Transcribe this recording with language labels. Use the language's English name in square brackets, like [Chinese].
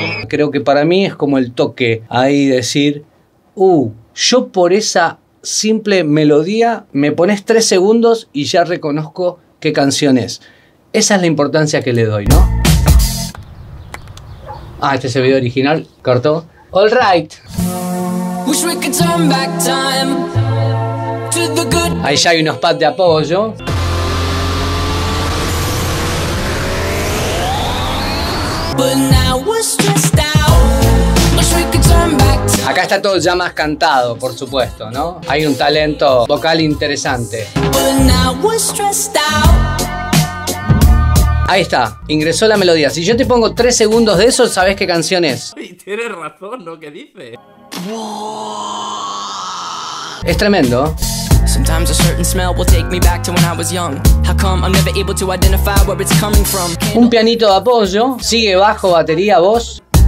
[Spanish] Creo que para mí es como el toque ahí decir, yo por esa simple melodía me pones 3 segundos y ya reconozco qué canción es. Esa es la importancia que le doy, ¿no? Ah, este es el video original, cortó. [English] All right. Wish we could turn back time to the good. [Spanish] Ahí ya hay unos pads de apoyo. [English] But now we're stressed out. Wish we could turn back time. [Spanish] Acá está todo ya más cantado, por supuesto, ¿no? Hay un talento vocal interesante. [English] But now we're stressed out. [Spanish] Ahí está, ingresó la melodía. Si yo te pongo 3 segundos de eso, ¿sabes qué canción es? Y tienes razón, ¿no? ¿Qué dice? Es tremendo. [English] Sometimes a certain smell will take me back to when I was young. How come I'm never able to identify where it's coming from? [Spanish] Un pianito de apoyo, sigue bajo, batería, voz.